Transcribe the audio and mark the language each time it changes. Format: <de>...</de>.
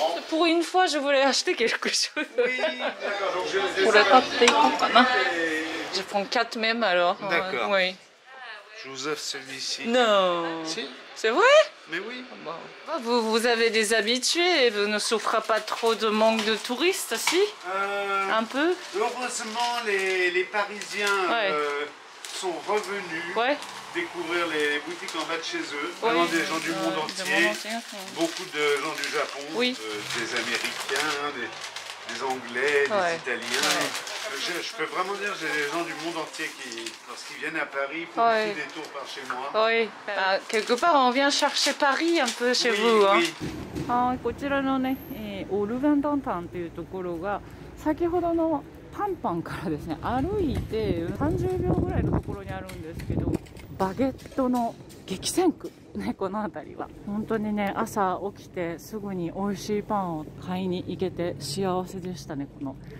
<fr>pour une fois je voulais acheter quelque chose. Pour la partie comme je prends 4 même alors. D'accord. Oui. Je vous offre celui-ci. Non. Si. C'est vrai? Mais oui. Bon. Vous, vous avez des habitués et vous ne souffrez pas trop de manque de touristes, si? Un peu. Heureusement, les Parisiens sont revenus découvrir les boutiques en bas de chez eux. Oui, vraiment des gens du monde entier. Beaucoup de gens du Japon, des Américains, des Anglais, des Italiens. Ouais. Je peux vraiment dire que j'ai des gens du monde entier qui, lorsqu'ils viennent à Paris, font des tours par chez moi. Oui, bah, quelque part, on vient chercher Paris un peu chez vous. Hein. Oui.</fr> <ja>こちらのね、オルヴェンダンタンというところが、先ほどのパンパンからですね、歩いて30秒ぐらいのところにあるんですけど、バゲットの激戦区、ね、この辺りは。本当にね、朝起きてすぐに美味しいパンを買いに行けて幸せでしたね、この。</ja>